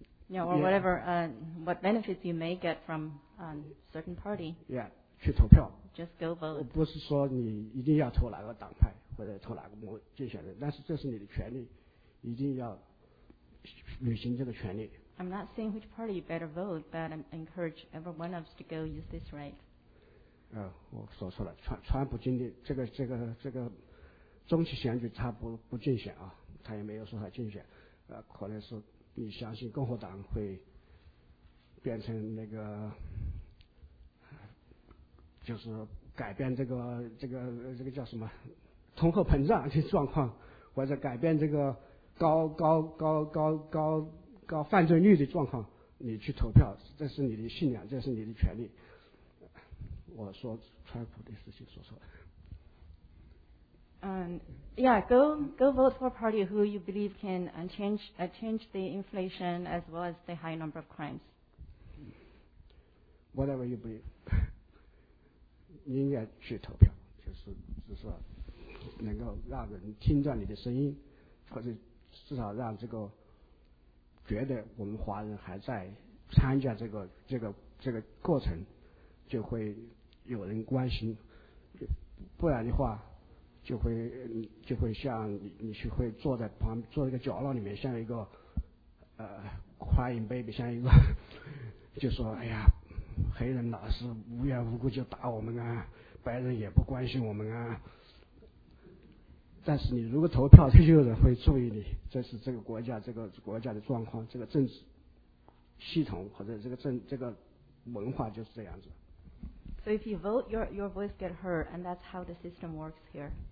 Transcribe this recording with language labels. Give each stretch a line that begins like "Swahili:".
English: Yeah, or whatever, what benefits you may get from a certain party.
Chinese: Yeah, 去投票。
English: Just go vote.
Chinese: 不是说你一定要投哪个党派或者投哪个某竞选人，但是这是你的权利，一定要履行这个权利。
English: I'm not saying which party you better vote, but I encourage every one of us to go use this right.
Chinese: 我说错了，川普今天这个中期选举他不竞选啊，他也没有说他竞选，可能是你相信共和党会变成那个，就是改变这个叫什么通货膨胀的状况，或者改变这个高犯罪率的状况，你去投票，这是你的信仰，这是你的权利。我说川普的事情说错了。
English: Go vote for a party who you believe can change the inflation as well as the high number of crimes. Whatever you believe,
Chinese: 你应该去投票，就是说能够让人听到你的声音，或者至少让这个。觉得我们华人还在参加这个过程，就会有人关心，不然的话，就会像你去会坐在旁坐在一个角落里面，像一个
English: crying baby，
Chinese: 像一个就说哎呀，黑人老是无缘无故就打我们啊，白人也不关心我们啊。但是你如果投票，就有人会注意你。这是这个国家，这个国家的状况，这个政治系统或者这个文化就是这样子。
English: So if you vote, your voice get heard, and that's how the system works here.